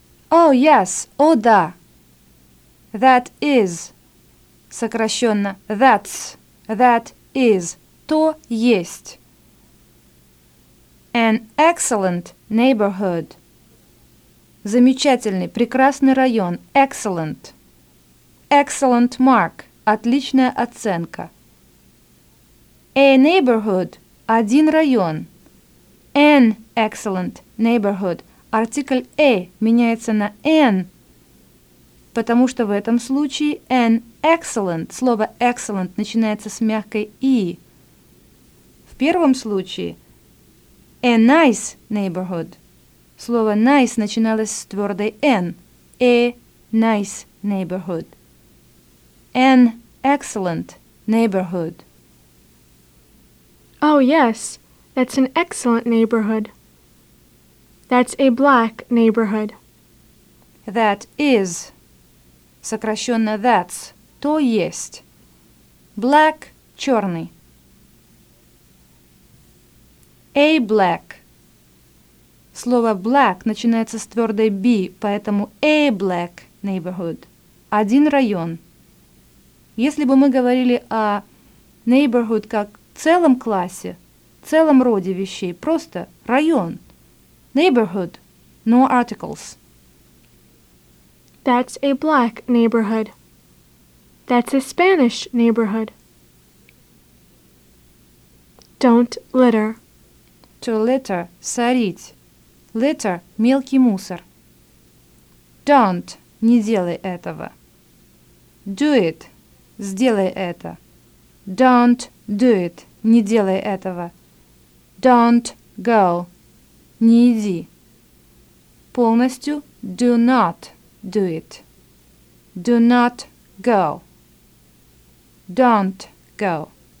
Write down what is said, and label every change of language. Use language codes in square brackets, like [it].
[en] Oh, yes, [ru] о, да. [en] That is, [ru] сокращенно, [en] that's, that is, [ru] то есть. [en] An excellent neighborhood. [ru] Замечательный, прекрасный район, excellent. [en] Excellent mark, [ru] отличная оценка. [en] A neighborhood – [ru] один район. [en] An excellent neighborhood. [ru] Артикль A меняется на N, потому что в этом случае [en] an excellent. [ru] Слово excellent начинается с мягкой I. В первом случае [en] a nice neighborhood. [ru] Слово nice начиналось с твердой N. [en] A nice neighborhood. An excellent neighborhood. Oh, yes, that's an excellent neighborhood. That's a black neighborhood. That is, [ru] сокращенно [en] that's, [ru] то есть. [en] Black, черный. A black. Слово black начинается с твердой B, поэтому a black neighborhood. [ru] Один район. Если бы мы говорили о [en] neighborhood [ru] как в целом классе, в целом роде вещей, просто район. [en] Neighborhood, no articles. That's a black neighborhood. That's a Spanish neighborhood. Don't litter. To litter, сорить. [ru] Litter, мелкий мусор. [en] Don't, [ru] не делай этого. [en] Do it, [ru] сделай это. [en] Don't do it. [ru] Не делай этого. [en] Don't go. [ru] Не иди. Полностью [en] do not do it. Do not go. Don't go.